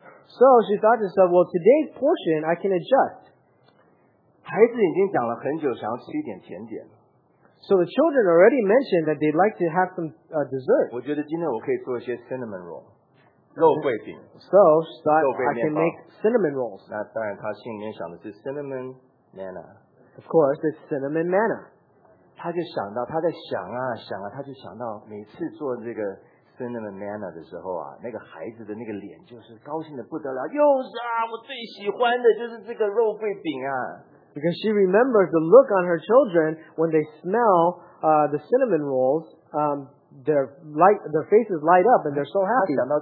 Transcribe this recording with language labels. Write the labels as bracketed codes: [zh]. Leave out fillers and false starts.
[en] So she thought to herself, well, today's portion I can adjust. [zh] 孩子已经讲了很久，想要吃一点甜点。 [en] So the children already mentioned that they'd like to have some dessert. [zh] 我觉得今天我可以做一些 cinnamon roll, 肉桂饼, [en] so that I can make cinnamon rolls. [zh] 那当然他心里面想的是 cinnamon manna. [en] Of course, it's cinnamon manna. [zh] 他就想到，他在想啊想啊，他就想到每次做这个 cinnamon manna 的时候啊，那个孩子的那个脸就是高兴的不得了，又是啊，我最喜欢的就是这个肉桂饼啊。 [en] Because she remembers the look on her children when they smell the cinnamon rolls, their faces light up and they're so happy.